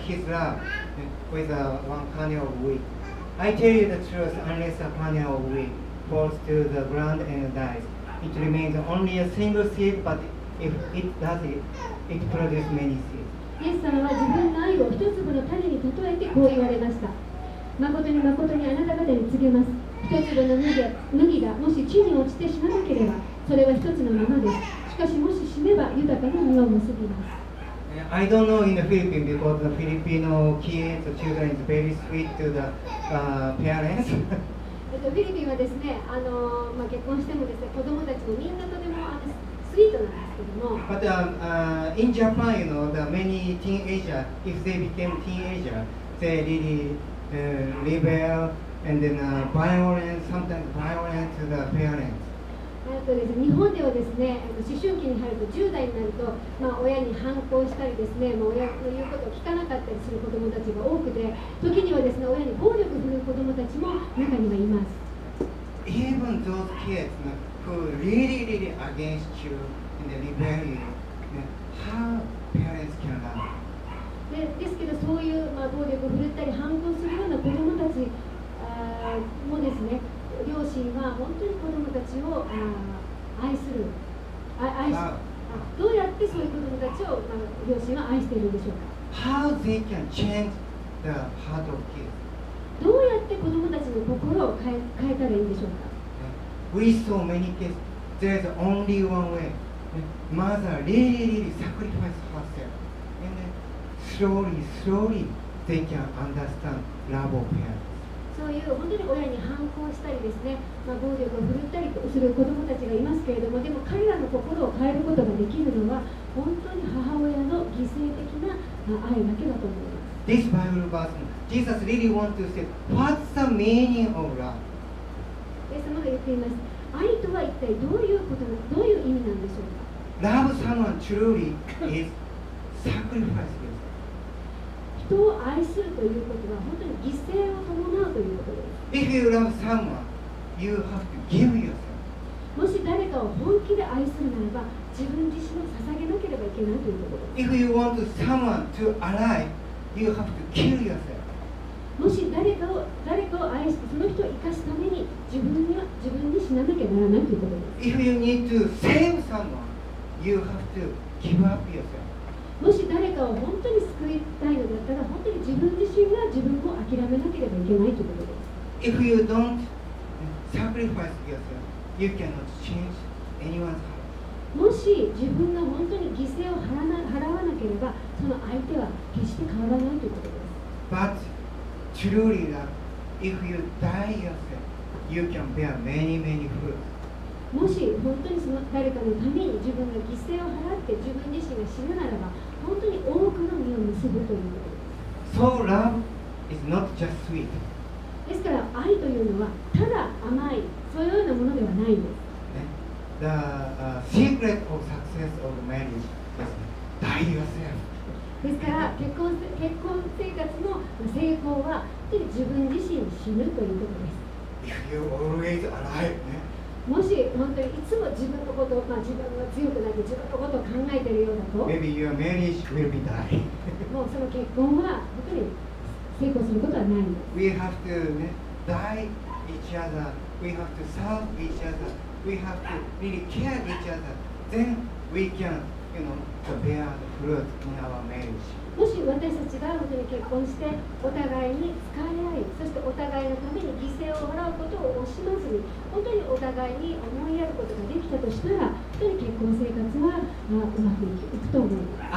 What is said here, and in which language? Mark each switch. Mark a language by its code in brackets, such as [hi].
[en] He compared his love with one kernel of wheat. I tell you the truth, unless a kernel of wheat falls to the ground and dies, it remains only a single seed, but if it does it, it produces many seeds. [ja] イエス様は自分の愛を一粒の種に例えてこう言われました。まことにまことにあなた方に告げます。一粒の麦がもし地に落ちて死ななければ、それは一つのままです。しかしもし死ねば豊かな実を結びます。 [en] I don't know in the Philippines because the Filipino kids, the children is very sweet to the parents. [ja] フィリピンはですね、まあ、結婚してもですね、子供たちもみんなとてもスイートなんですけども。 [en] But in Japan, you know, the many teenagers, if they became teenagers, they really rebel and then violent, sometimes violent to the parents. [ja] 日本ではですね、思春期に入ると10代になると、まあ、親に反抗したりですね、まあ、親の言うことを聞かなかったりする子どもたちが多くて、時にはですね、親に暴力を振るう子どもたちも中にはいます。 [en] Even those kids who really, really against you and rebel you, how parents can love you? [ja] ですけど、そういう、まあ、暴力を振るったり反抗するような子どもたちもですね、両親は本当に子供たちを愛する、どうやってそういう子供たちを両親は愛しているんでしょうか。 [en] How they can change the heart of kids? [ja] どうやって子供たちの心を変えたらいいんでしょうか。 [en] We saw many cases. There's only one way. Mother really, really sacrifice herself, and then slowly, slowly they can understand love of parents. [ja] そういう本当に親に反抗したりですね、まあ、暴力を振るったりする子どもたちがいますけれども、でも彼らの心を変えることができるのは本当に母親の犠牲的な愛だけだと思います。 [en] This Bible verse, Jesus really wants to say, what's the meaning of love? [ja] イエス様が言っています。愛とは一体どういうことなの、どういう意味なんでしょうか。 [en] Love someone truly is sacrifice yourself. [ja] 人を愛するということは本当に犠牲を伴うということです。 [en] If you love someone, you have to give yourself. [ja] もし誰かを本気で愛するならば、自分自身を捧げなければいけないということです。 [en] If you want someone to alive, you have to kill yourself. [ja] もし誰かを愛して、その人を生かすために自分に死ななきゃならないということです。 [en] If you need to save someone, you have to give up yourself. [ja] もし誰かを本当に救いたいのだったら、本当に自分自身が自分を諦めなければいけないということです。 [en] If you don't sacrifice yourself, you cannot change anyone's heart. [ja] もし自分が本当に犠牲を払わなければ、その相手は決して変わらないということです。 [en] But truly love, if you die yourself, you can bear many, many fruits. [ja] もし本当にその誰かのために自分が犠牲を払って自分自身が死ぬならば、本当に多くの実を結ぶということです。 [en] So love is not just sweet. [ja] ですから愛というのはただ甘い、そういうようなものではないんです。 [en] The secret of success of marriage is die yourself. [ja] ですから結婚生活の成功は自分自身死ぬということです。 [en] If you're always alive, ね。 [ja] もし本当にいつも自分のことを、まあ、自分が強くなって自分のことを考えているようだと、 [en] Maybe your marriage will be die. [ja] もうその結婚は本当に成功することはないんです。 [en] We have to die each other. We have to serve each other. We have to really care each other. Then we can, you know, bear the fruit in our marriage. [ja] もし私たちが本当に結婚してお互いに使い合い、そしてお互いのために犠牲を払うことを惜しまずに本当にお互いに思いやることができたとしたら、本当に結婚生活は、まあ、うまくいくと思います。